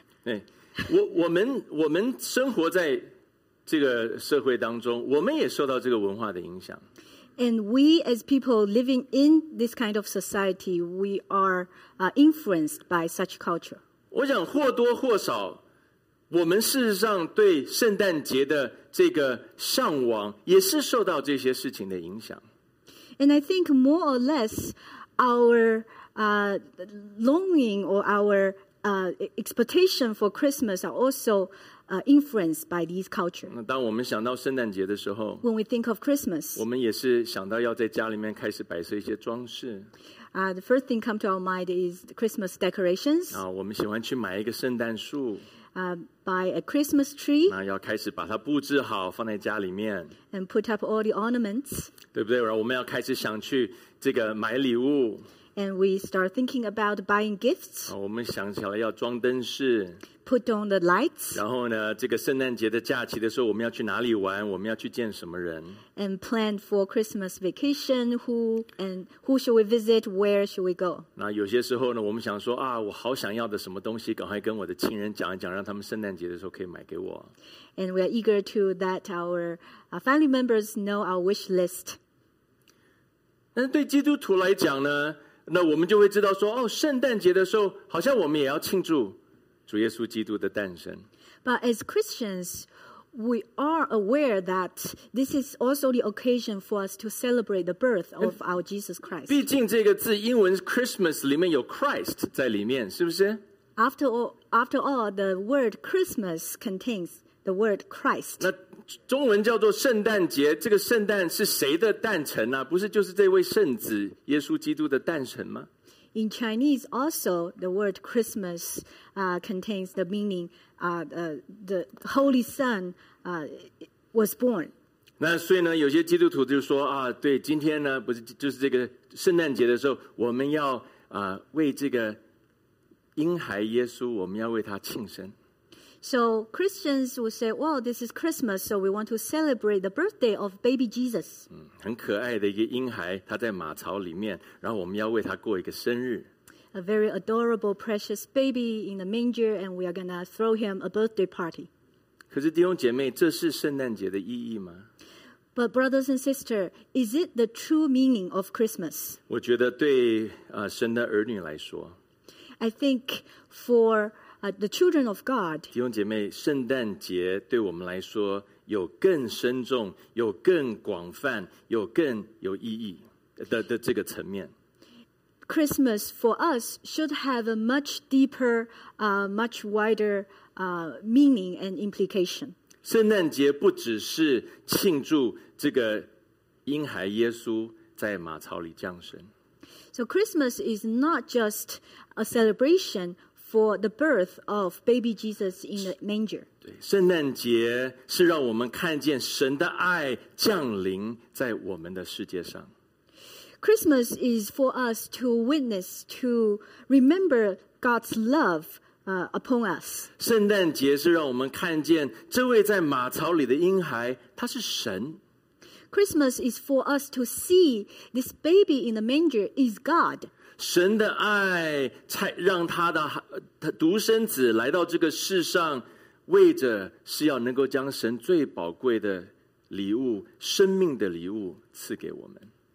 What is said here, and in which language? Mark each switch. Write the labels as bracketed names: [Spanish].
[Chinese] 对，我们生活在这个社会当中，我们也受到这个文化的影响。 [English] And we, as people living in this kind of society, we are influenced by such culture. [Chinese] 我想或多或少，我们事实上对圣诞节的这个向往，也是受到这些事情的影响。 [English] And I think more or less, our longing or our expectation for Christmas are also influenced by these cultures. [Chinese] 当我们想到圣诞节的时候， [English] when we think of Christmas, [Chinese] 我们也是想到要在家里面开始摆设一些装饰。 [English] The first thing come to our mind is the Christmas decorations. [Chinese] 我们喜欢去买一个圣诞树。 [English] Buy a Christmas tree. [Chinese] 要开始把它布置好，放在家里面。 [English] And put up all the ornaments. [Chinese] 对不对？然后我们要开始想去这个买礼物。 [English] And we start thinking about buying gifts. [Chinese] 我们想起来要装灯饰。 [English] Put on the lights. [Chinese] 然后呢，这个圣诞节的假期的时候，我们要去哪里玩？我们要去见什么人 [English] ？And plan for Christmas vacation. Who should we visit? Where should we go? [Chinese] 那有些时候呢，我们想说我好想要的什么东西，赶快跟我的亲人讲一讲，让他们圣诞节的时候可以买给我。 [English] And we are eager to let our family members know our wish list. [Chinese] 但是对基督徒来讲呢，那我们就会知道说，圣诞节的时候，好像我们也要庆祝主耶稣基督的诞生。 [English] But as Christians, we are aware that this is also the occasion for us to celebrate the birth of our Jesus Christ. [Chinese] 毕竟这个字英文 Christmas 里面有 Christ 在里面，是不是？ [English] After all, the word Christmas contains the word Christ. [Chinese] 那中文叫做圣诞节，这个圣诞是谁的诞辰呢？不是就是这位圣子耶稣基督的诞辰吗？ [English] In Chinese, also, the word Christmas contains the meaning the Holy Son was born. [Chinese] 那所以呢，有些基督徒就说对，今天呢，不是就是这个圣诞节的时候，我们要为这个婴孩耶稣，我们要为他庆生。 [English] So Christians will say, well, this is Christmas, so we want to celebrate the birthday of baby Jesus. [Chinese] 很可爱的一个婴孩，他在马槽里面，然后我们要为他过一个生日。 [English] a very adorable, precious baby in the manger, and we are going to throw him a birthday party. [Chinese] 可是弟兄姐妹，这是圣诞节的意义吗？ [English] But brothers and sisters, is it the true meaning of Christmas? [Chinese] 我觉得对神的儿女来说 [English] I think for the children of God [Chinese] 弟兄姐妹，圣诞节对我们来说有更深重、有更广泛、有更有意义 的这个层面。 [English] Christmas for us should have a much deeper, much wider meaning and implication. [Chinese] 圣诞节不只是庆祝这个婴孩耶稣在马槽里降生。 [English] So Christmas is not just a celebration for the birth of baby Jesus in the manger. [Chinese] 对，圣诞节是让我们看见神的爱降临在我们的世界上。 [English] Christmas is for us to witness, to remember God's love upon us. [Chinese] 圣诞节是让我们看见这位在马槽里的婴孩，他是神。 [English] Christmas is for us to see this baby in the manger is God. [Chinese] 神的爱才让他独生子来到这个世上，为着是要能够将神最宝贵的礼物，生命的礼物赐给我们。